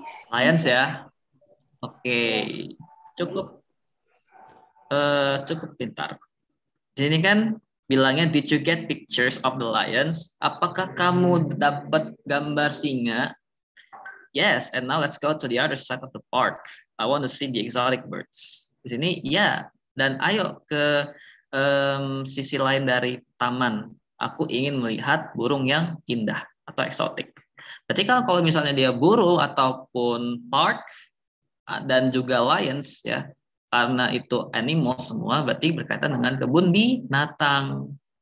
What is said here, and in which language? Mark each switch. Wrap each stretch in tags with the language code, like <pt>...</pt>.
<id>Lions ya? Oke. Cukup. Cukup pintar. Di sini kan bilangnya,</id> <en>did you get pictures of the lions?</en> <id>Apakah kamu dapat gambar singa?</id> <en>Yes, and now let's go to the other side of the park. I want to see the exotic birds.</en> <id>Di sini, ya.</id> <en>Yeah.</en> <id>Dan ayo ke sisi lain dari taman. Aku ingin melihat burung yang indah atau eksotik. Berarti kalau misalnya dia burung ataupun park dan juga lions, ya, karena itu animal semua, berarti berkaitan dengan kebun binatang.</id>